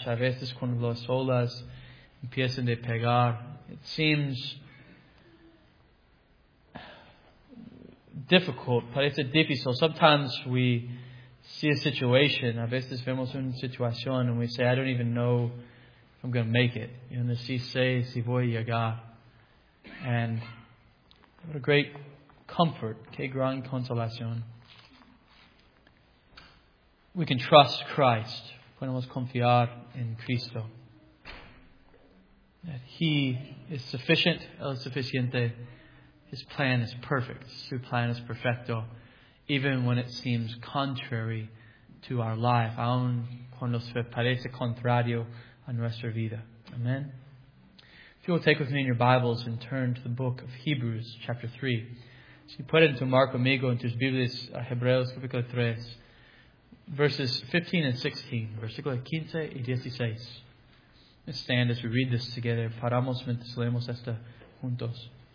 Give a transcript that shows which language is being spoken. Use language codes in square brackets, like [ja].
[es] A veces cuando las olas empiezan a pegar, [en] it seems difficult. [es] Parece difícil. [en] Sometimes we see a situation. [es] A veces vemos una situación [en] and we say, I don't even know if I'm going to make it. [es] Yo no sé si voy a llegar. [en] And what a great comfort. [es] Qué gran consolación. [en] We can trust Christ. [es] Podemos confiar en Cristo. [en] That He is sufficient. [es] El suficiente. [en] His plan is perfect. [es] Su plan es perfecto. [en] Even when it seems contrary to our life. [es] Aun cuando se parece contrario a nuestra vida. Amen. [en] If you will take with me in your Bibles and turn to the book of Hebrews, chapter 3. So you put it into Mark [es] conmigo, [en] into his [es] Biblias, Hebreos, capítulo 3. [en] Verses 15 and 16, [es] versículos 15 y 16. [en] Let's stand as we read this together. [es] Paramos mientras leemos esto juntos.